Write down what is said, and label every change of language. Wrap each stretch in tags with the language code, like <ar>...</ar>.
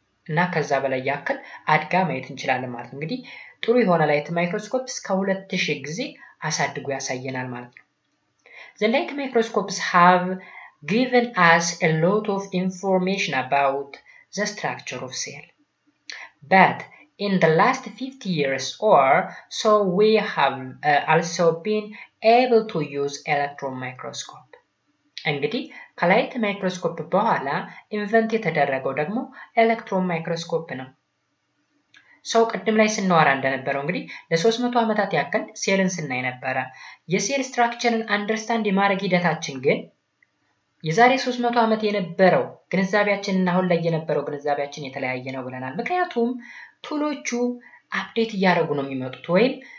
<am>እና ከዛ በላይ ያክል አድጋ ማየት እንችላለን ማለት ነው። እንግዲህ ጥሩ የሆነ ላይት ማይክሮስኮፕ እስከ 2000 ጊዜ አሳድጎ ያሳየናል ማለት ነው።</am> <en>The light microscopes have given us a lot of information about the structure of cell. But in the last 50 years or so we have also been able to use electron microscope.</en> <am>እንግዲህ ከላይት ማይክሮስኮፕ በኋላ ኢንቨንት የተደረገው ደግሞ ኤሌክትሮን ማይክሮስኮፕ ነው። ሰው ቀደም ላይ ስናወራ እንደነበረው እንግዲህ ለ300 አመታት ያክል ሴልን ስናይ ነበር። የሴል ስትራክቸርን አንደርስታንድ የማድረግ ሂደታችን ግን የዛሬ 300 አመት የነበረው ግንዛቤያችንና አሁን ላይ የነበረው ግንዛቤያችን የተለያየ ነው ብለናል። ምክንያቱም ቱሎቹ አፕዴት እያደረጉ ነው የሚመጡት ወይም</am>